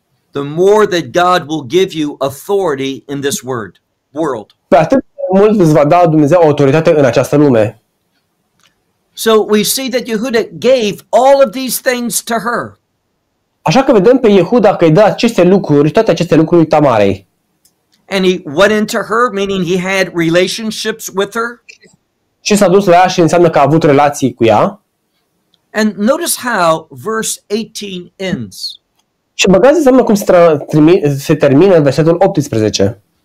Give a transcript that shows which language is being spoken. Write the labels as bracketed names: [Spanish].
[English] the more that God will give you authority in this world. [Romanian] Pe atât mult îți va da Dumnezeu autoritate în această lume. [English] So we see that Yehuda gave all of these things to her. [Romanian] Așa că vedem pe Yehuda că îi dă aceste lucruri, toate aceste lucruri Tamarei. [English] And he went into her, meaning he had relationships with her. [Romanian] Și s-a dus la ea și înseamnă că a avut relații cu ea. [English] And notice how verse 18 ends. [Romanian] Și băgați seama cum se termină versetul 18.